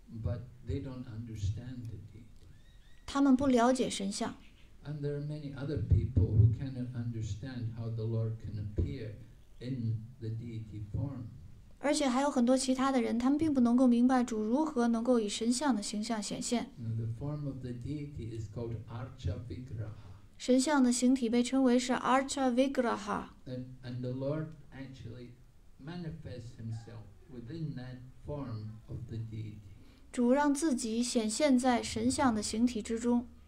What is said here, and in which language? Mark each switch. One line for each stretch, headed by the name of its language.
English: But they don't understand the deity.
Chinese: 他们不了解神像。
English: And there are many other people who cannot understand how the Lord can appear in the deity form.
Chinese: 而且还有很多其他的人，他们并不能够明白主如何能够以神像的形象显现。
English: The form of the deity is called Archavigraha.
Chinese: 神像的形体被称为是 Archavigraha.
English: And the Lord actually manifests himself within that form of the deity.
Chinese: 主让自己显现在神像的形体之中。